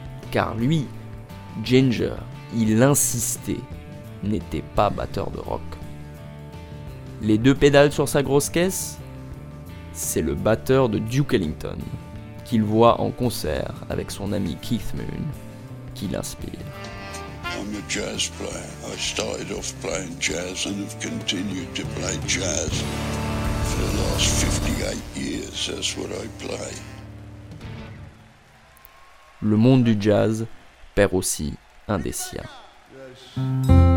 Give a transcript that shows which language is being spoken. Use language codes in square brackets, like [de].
[fr] Car lui, Ginger, il insistait, n'était pas batteur de rock. Les deux pédales sur sa grosse caisse, c'est le batteur de Duke Ellington, qu'il voit en concert avec son ami Keith Moon, qui l'inspire. [en] I'm a jazz player. I started off playing jazz and have continued to play jazz for the last 58 years. That's what I play. [fr] Le monde du jazz perd aussi un des siens. Yes.